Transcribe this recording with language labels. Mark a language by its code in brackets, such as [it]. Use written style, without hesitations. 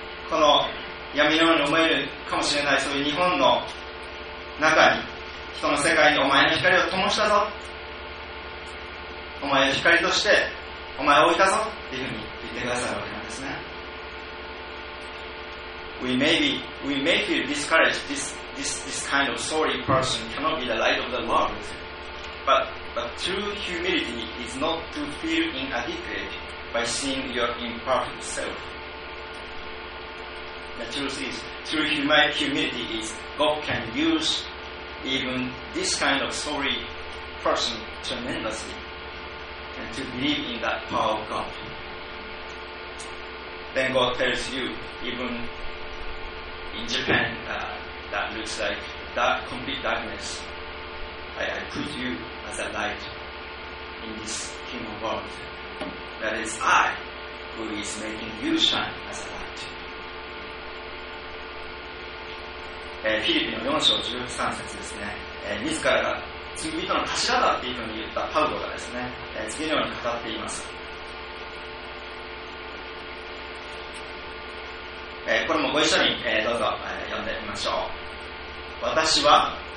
[ja] この闇のように思えるかもしれない、そういう日本の中に、人の世界にお前の光を灯したぞ、お前の光としてお前を置いたぞというふうに言ってくださるわけなんですね。 [en] We may feel discouraged. This kind of sorry person cannot be the light of the world. But true humility is not to feel inadequate by seeing your imperfect self. The truth is, true humility is God can use even this kind of sorry person tremendously, and to believe in that power of God. Then God tells you, even in Japan, that looks like dark, complete darkness, I put you as a light in this human world. That is I who is making you shine as a light. [ja] フィリピの4章13節ですね。自らが罪人の頭だというふうに言ったパウロがですね、次のように語っています。これもご一緒に、どうぞ、読んでみましょう。